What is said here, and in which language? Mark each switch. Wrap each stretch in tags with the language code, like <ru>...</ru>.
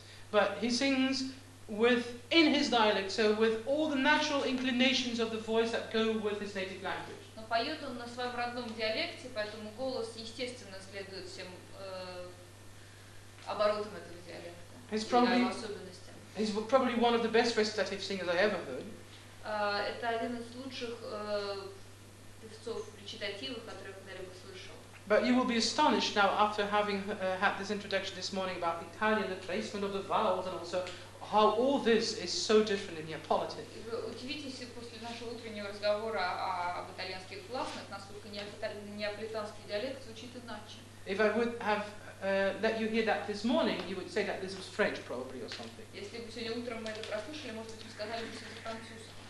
<en>But he sings in his dialect, so with all the natural inclinations of the voice that go with his native language.</en> <ru>Но поет он на своем родном диалекте, поэтому голос естественно следует всем оборотам этого диалекта.</ru> <en>He's probably one of the best recitative singers I ever heard.</en> <ru>Это один из лучших певцов речитативов, которых когда-либо слышал.</ru> <en>But you will be astonished now, after having had this introduction this morning about Italian, the placement of the vowels, and also how all this is so different in Neapolitan.</en> <ru>Удивитесь после нашего утреннего разговора об итальянских гласных, насколько неаполитанский диалект звучит иначе.</ru> <en>If I would have let you hear that this morning, you would say that this was French, probably, or something.</en> <ru>Если бы сегодня утром мы это прослушали, может быть, вы сказали бы, что это французский.</ru>